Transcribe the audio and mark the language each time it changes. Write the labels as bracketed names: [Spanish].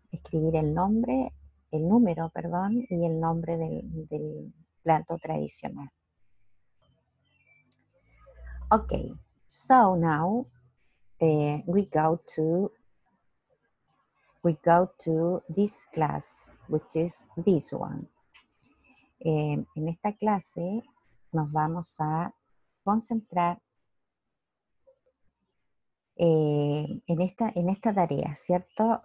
[Spanish] Escribir el nombre, el número, perdón, y el nombre del plato tradicional. [English] Okay, so now we go to this class, which is this one. [Spanish] En esta clase nos vamos a concentrar en esta tarea, ¿cierto?